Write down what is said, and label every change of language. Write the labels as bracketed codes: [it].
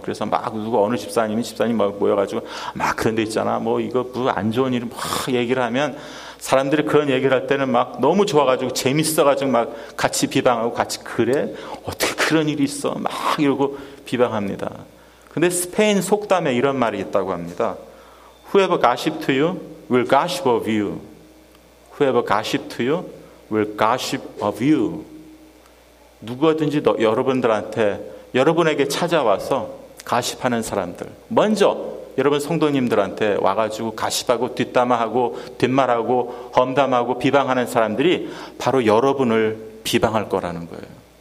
[ko] 그래서 막 누구 어느 집사님이 집사님 막 모여가지고 막 그런 데 있잖아 뭐 이거 뭐 안 좋은 일을 막 얘기를 하면 사람들이 그런 얘기를 할 때는 막 너무 좋아가지고 재밌어가지고 막 같이 비방하고 같이 그래? 어떻게 그런 일이 있어? 막 이러고 비방합니다. 근데 스페인 속담에 이런 말이 있다고 합니다. [en] Whoever gossip to you will gossip of you. Whoever gossip to you will gossip of you. [ko] 누구든지 여러분들한테 여러분에게 찾아와서 가십하는 사람들 먼저 여러분 성도님들한테 와가지고 가십하고 뒷담화하고 뒷말하고 험담하고 비방하는 사람들이 바로 여러분을 비방할 거라는 거예요.